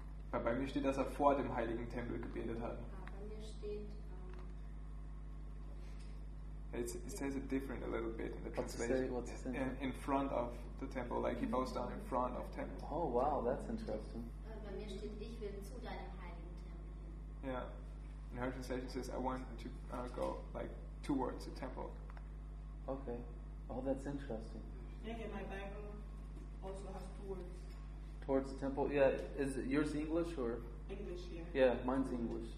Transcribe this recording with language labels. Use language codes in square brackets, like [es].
[de] Weil bei mir steht, dass er vor dem heiligen Tempel gebetet hat. Bei mir steht, [en] It says it different a little bit in the translation. What's it say? In front of the temple, like he bows down in front of temple. Oh wow, that's interesting. [de] Bei mir steht, ich will zu deinem heiligen Tempel. [en] Yeah, in her translation says, I want to go like towards the temple. Okay, oh that's interesting. Yeah, my Bible also has towards. Towards the temple, yeah. Is it yours English or? English, yeah. Yeah, mine's English.